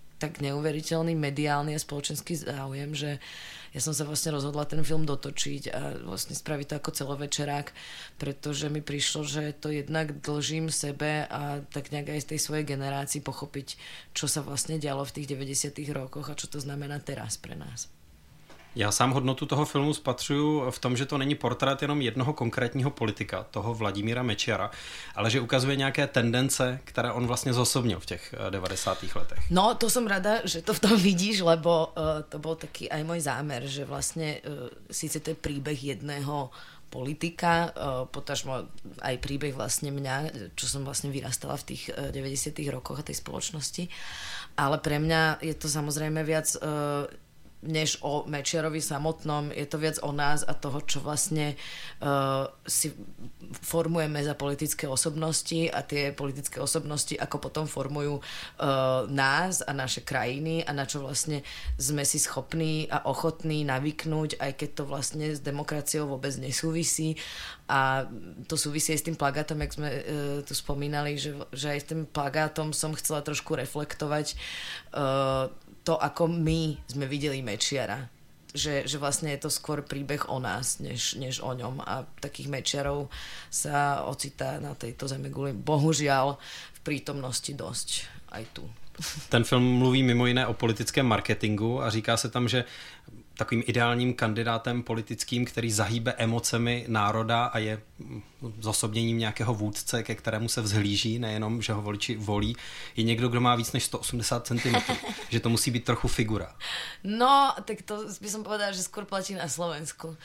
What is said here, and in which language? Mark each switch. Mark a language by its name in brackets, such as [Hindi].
[Slovak] tak neuveriteľný mediálny a spoločenský záujem, že ja som sa vlastne rozhodla ten film dotočiť a vlastne spraviť to ako celovečerák, pretože mi prišlo, že to jednak dlžím sebe a tak nejak aj z tej svojej generácii pochopiť, čo sa vlastne dialo v tých 90. rokoch a čo to znamená teraz pre nás. [Czech] Já sám hodnotu toho filmu spatřuju v tom, že to není portrét jenom jednoho konkrétního politika, toho Vladimíra Mečiara, ale že ukazuje nějaké tendence, které on vlastně zosobnil v těch 90. letech. No, to jsem rada, že to v tom vidíš, [Slovak] lebo to byl taky aj můj zámer, že vlastně sice to je příběh jedného politika, potažmo aj príbeh vlastne mňa, čo som vlastne vyrastala v tých 90. rokoch a tej spoločnosti. Ale pre mňa je to samozrejme viac než o Mečiarovi samotnom, je to viac o nás a toho, čo vlastne si formujeme za politické osobnosti a tie politické osobnosti, ako potom formujú nás a naše krajiny a na čo vlastne sme si schopní a ochotní navyknúť, aj keď to vlastne s demokraciou vôbec nesúvisí. A to súvisí aj s tým plagátom, jak sme tu spomínali, že aj s tým plagátom som chcela trošku reflektovať to, ako my sme videli Mečiara. Že vlastne je to skôr príbeh o nás, než o ňom. A takých Mečiarov sa ocitá na tejto zemeguli, bohužiaľ, v prítomnosti dosť aj tu. [Czech] Ten film mluví mimo jiné o politickém marketingu a říká se tam, že takovým ideálním kandidátem politickým, který zahýbe emocemi národa a je zosobněním nějakého vůdce, ke kterému se vzhlíží, nejenom, že ho voliči volí, je někdo, kdo má víc než 180 cm, že to musí být trochu figura. [Slovak] No, tak to by som povedala, že skôr platí na Slovensku.